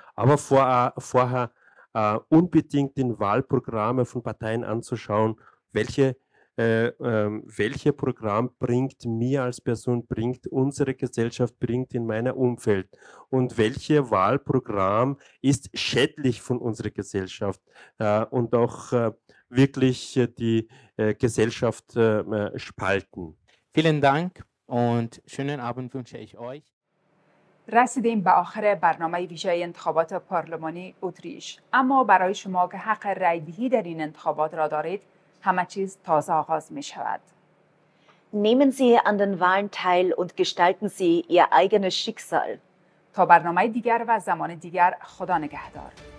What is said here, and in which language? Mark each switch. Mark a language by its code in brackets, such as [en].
[de] Aber vorher unbedingt den Wahlprogramme von Parteien anzuschauen, welche Programm bringt mir als Person, bringt unsere Gesellschaft, bringt in meinem Umfeld und welche Wahlprogramm ist schädlich von unserer Gesellschaft und auch wirklich die Gesellschaft spalten. Vielen Dank und schönen Abend wünsche ich euch. [fa] رسیدیم به آخر برنامه ویژه انتخابات پارلمانی اتریش. اما برای شما که حق رای دهی در این انتخابات را دارید، همه چیز تازه آغاز می شود. [de] Nehmen Sie an den Wahlen teil und gestalten Sie Ihr eigenes Schicksal. [fa] تا برنامه دیگر و زمان دیگر خدا نگهدار.